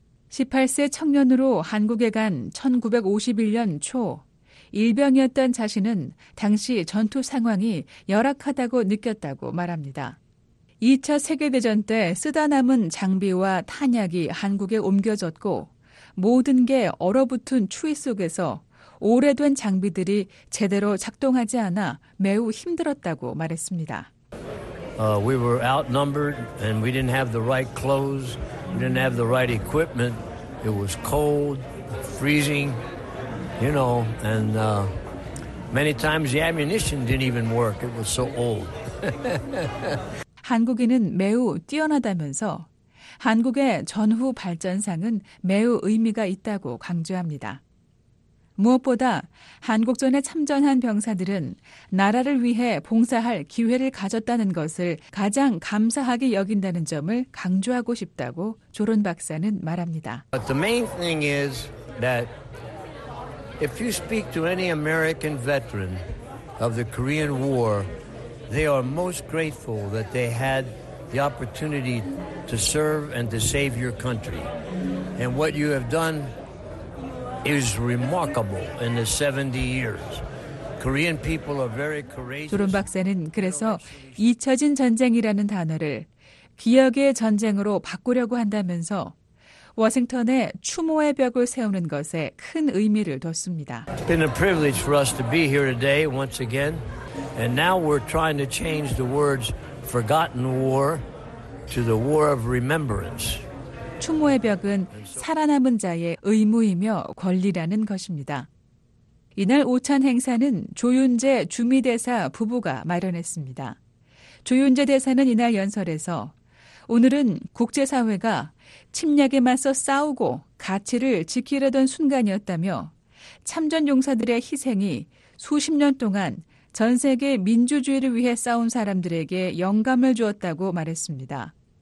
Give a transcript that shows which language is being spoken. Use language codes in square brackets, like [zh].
[ko] 18세 청년으로 한국에 간 1951년 초 일병이었던 자신은 당시 전투 상황이 열악하다고 느꼈다고 말합니다. 2차 세계대전 때 쓰다 남은 장비와 탄약이 한국에 옮겨졌고 모든 게 얼어붙은 추위 속에서 오래된 장비들이 제대로 작동하지 않아 매우 힘들었다고 말했습니다. [en] We were outnumbered and we didn't have the right clothes, we didn't have the right equipment. It was cold, freezing, you know, and many times the ammunition didn't even work. It was so old. [ko] 한국인은 매우 뛰어나다면서 한국의 전후 발전상은 매우 의미가 있다고 강조합니다. 무엇보다 한국전에 참전한 병사들은 나라를 위해 봉사할 기회를 가졌다는 것을 가장 감사하게 여긴다는 점을 강조하고 싶다고 조론 박사는 말합니다. [en] But the main thing is that if you speak to any American veteran of the Korean War, they are most grateful that they had the opportunity to serve and to save your country. And what you have done is remarkable in the 70 years. Korean people are very courageous. [ko] 조론 박사는 그래서 잊혀진 전쟁이라는 단어를 기억의 전쟁으로 바꾸려고 한다면서 워싱턴에 추모의 벽을 세우는 것에 큰 의미를 뒀습니다. [en] It's been a privilege for us to be here today once again. And now we're trying to change the words forgotten war to the war of remembrance. [ko] 추모의 벽은 살아남은 자의 의무이며 권리라는 것입니다. 이날 오찬 행사는 조윤재 주미대사 부부가 마련했습니다. 조윤재 대사는 이날 연설에서 오늘은 국제사회가 침략에 맞서 싸우고 가치를 지키려던 순간이었다며 참전 용사들의 희생이 수십 년 동안 전 세계 민주주의를 위해 싸운 사람들에게 영감을 주었다고 말했습니다.